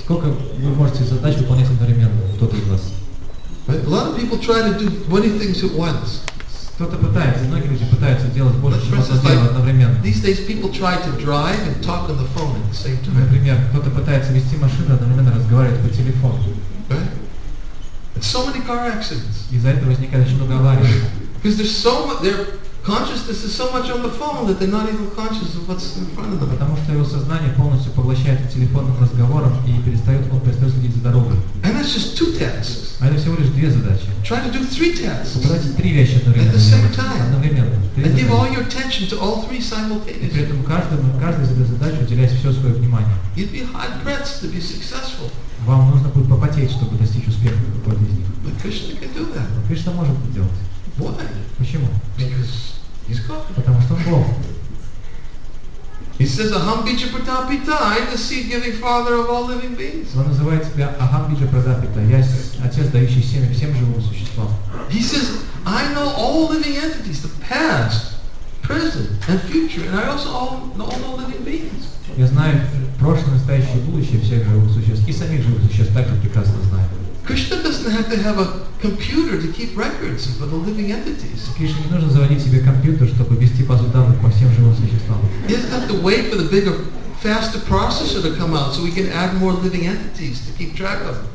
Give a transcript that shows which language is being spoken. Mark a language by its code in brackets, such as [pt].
[ru] Сколько вы можете задач выполнять одновременно, тот из вас? [en] But a lot of people try to do many things at once. [ru] Кто-то пытается, многие люди пытаются делать больше, чем одно дело одновременно. [en] These days people try to drive and talk on the phone at the same time. [ru] Например, кто-то пытается вести машину, одновременно разговаривать по телефону. [en] Right? So many car accidents. [ru] Из-за этого возникает очень много аварий. [en] Because there's so much, their consciousness is so much on the phone that they're not even conscious of what's in front of them. [ru] Потому что его сознание полностью поглощается телефонным разговором и он перестает следить за дорогой. [en] And that's just two tasks. [ru] А это всего лишь две задачи. [en] Try to do three tasks. [ru] Попытайтесь три вещи одновременно. [en] And give all your attention to all three simultaneously. [ru] И при этом каждой из этих задач уделяйте все свое внимание. [en] You'd be hard pressed to be successful. [ru] Вам нужно будет попотеть, чтобы достичь успеха в какой-то из них. [en] But Krishna can do that. [ru] Но Кришна может это делать. [en] Why? [ru] Почему? [en] Because he's God. [ru] Потому что он Бог. [en] He says, [sa] "Aham bija pratapita, [en] I am the seed-giving father of all living beings." [ru] Он называет себя [sa] Aham bija pratapita, [ru] я отец, дающий семя всем живым существам. [en] He says, "I know all living entities, the past, present, and future, and I also know all living beings." [ru] Я знаю прошлое, настоящее, будущее всех живых существ и самих живых существ также прекрасно знаю. [en] Krishna doesn't have to have a computer to keep records for the living entities. [ru] Кришне не нужно заводить себе компьютер, чтобы вести базу данных по всем живым существам. [en] He doesn't have to wait for the bigger, faster processor to come out so we can add more living entities to keep track of.